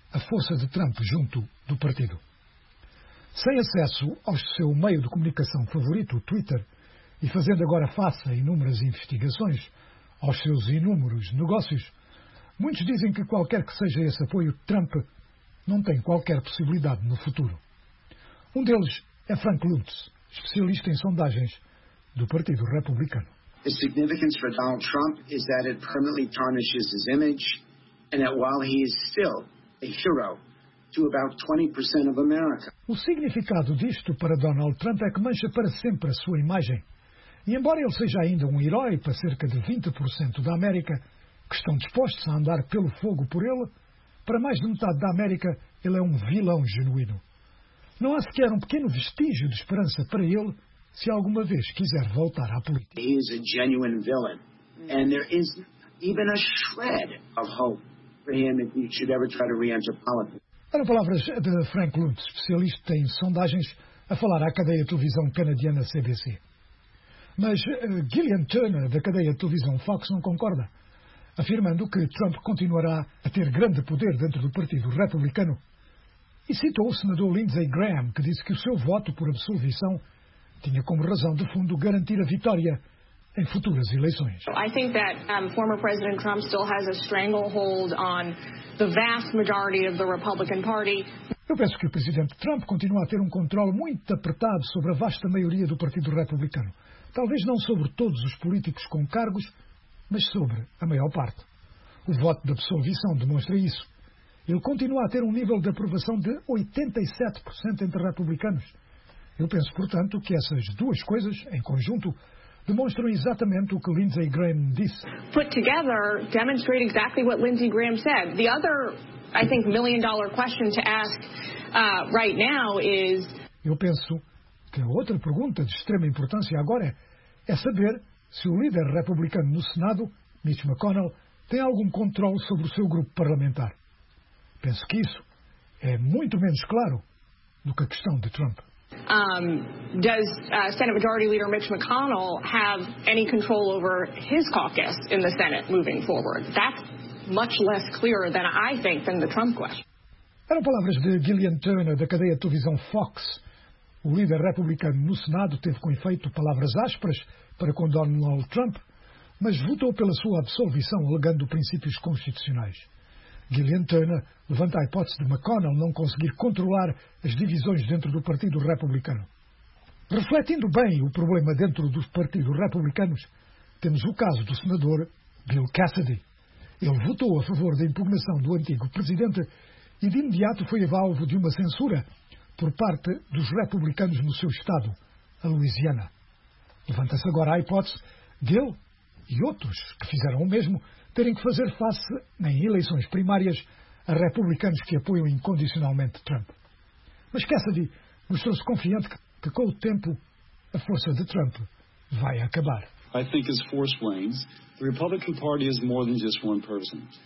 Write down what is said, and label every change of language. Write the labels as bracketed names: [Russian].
[Portuguese] a força de Trump junto do partido. Sem acesso ao seu meio de comunicação favorito, o Twitter, e fazendo agora face a inúmeras investigações aos seus inúmeros negócios, muitos dizem que qualquer que seja esse apoio, Trump não tem qualquer possibilidade no futuro. Um deles é Frank Luntz, especialista em sondagens do Partido Republicano. [English] The significance for Donald Trump is that it permanently tarnishes his image and that while he is still a hero to about 20% of America. [Portuguese] O significado disto para Donald Trump é que mancha para sempre a sua imagem. E embora ele seja ainda um herói para cerca de 20% da América, que estão dispostos a andar pelo fogo por ele, para mais de metade da América ele é um vilão genuíno. Não há sequer um pequeno vestígio de esperança para ele se alguma vez quiser voltar à política. [English] He is a genuine villain, and there is even a shred of hope for him if he should ever try to re-enter politics. [Portuguese] Eram palavras de Frank Luntz, especialista em sondagens, a falar à cadeia de televisão canadiana CBC. Mas Gillian Turner, da cadeia de televisão Fox, não concorda, afirmando que Trump continuará a ter grande poder dentro do Partido Republicano, e citou o senador Lindsey Graham, que disse que o seu voto por absolvição tinha como razão de fundo garantir a vitória em futuras eleições. [English] I think that former President Trump still has a stranglehold on the vast majority of the Republican Party. [Portuguese] Eu penso que o Presidente Trump continua a ter um controle muito apertado sobre a vasta maioria do Partido Republicano. Talvez não sobre todos os políticos com cargos, mas sobre a maior parte. O voto de absolvição demonstra isso. Ele continua a ter um nível de aprovação de 87% entre republicanos. Eu penso, portanto, que essas duas coisas, em conjunto, demonstram exatamente o que Lindsey Graham disse. [English] Put together, demonstrate exactly what Lindsey Graham said. The other, I think, million-dollar question to ask right now is... [Portuguese] Eu penso que a outra pergunta de extrema importância agora é saber se o líder republicano no Senado, Mitch McConnell, tem algum controle sobre o seu grupo parlamentar. Penso que isso é muito menos claro do que a questão de Trump. [English] Does Senate Majority Leader Mitch McConnell have any control over his caucus in the Senate moving forward? That's much less clear than I think than the Trump question. [Portuguese] Eram palavras de Gillian Turner, da cadeia de televisão Fox. O líder republicano no Senado teve com efeito palavras ásperas para com Donald Trump, mas votou pela sua absolvição, alegando princípios constitucionais. Gillian Turner levanta a hipótese de McConnell não conseguir controlar as divisões dentro do Partido Republicano. Refletindo bem o problema dentro dos partidos republicanos, temos o caso do senador Bill Cassidy. Ele votou a favor da impugnação do antigo presidente e de imediato foi alvo de uma censura por parte dos republicanos no seu estado, a Louisiana. Levanta-se agora a hipótese dele e outros que fizeram o mesmo terem que fazer face, em eleições primárias, a republicanos que apoiam incondicionalmente Trump. Mas Cassidy mostrou-se confiante que com o tempo, a força de Trump vai acabar. [English] I think as force wanes, the Republican Party is more than just one person.